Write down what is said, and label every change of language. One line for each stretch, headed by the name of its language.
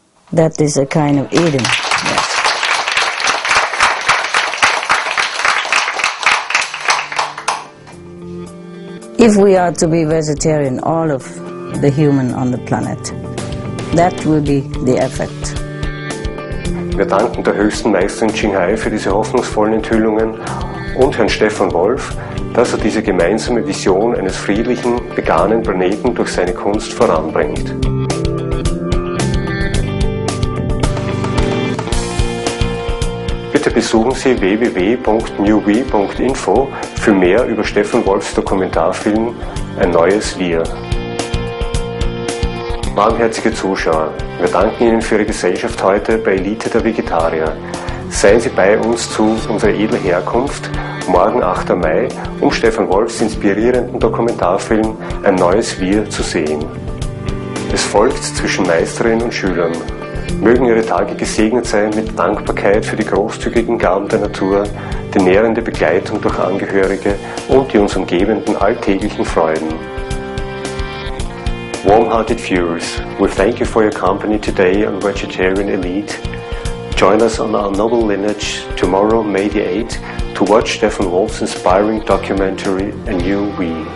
English: That is a kind of Eden. If we are to be vegetarian, all of the human on the planet, that will be the effect.
German: Wir danken der höchsten Meisterin Jing Hai für diese hoffnungsvollen Enthüllungen und Herrn Stefan Wolf, dass er diese gemeinsame Vision eines friedlichen, veganen Planeten durch seine Kunst voranbringt. Besuchen Sie www.newbie.info für mehr über Stefan Wolfs Dokumentarfilm Ein neues Wir. Warmherzige Zuschauer, wir danken Ihnen für Ihre Gesellschaft heute bei Elite der Vegetarier. Seien Sie bei uns zu unserer edlen Herkunft morgen 8. Mai, um Stefan Wolfs inspirierenden Dokumentarfilm Ein neues Wir zu sehen. Es folgt zwischen Meisterin und Schülern. Mögen Ihre Tage gesegnet sein mit Dankbarkeit für die großzügigen Gaben der Natur, die nährende Begleitung durch Angehörige und die uns umgebenden alltäglichen Freuden.
English: Warm-hearted viewers, we thank you for your company today on Vegetarian Elite. Join us on our noble lineage tomorrow, May the 8th, to watch Stefan Wolf's inspiring documentary, A New We.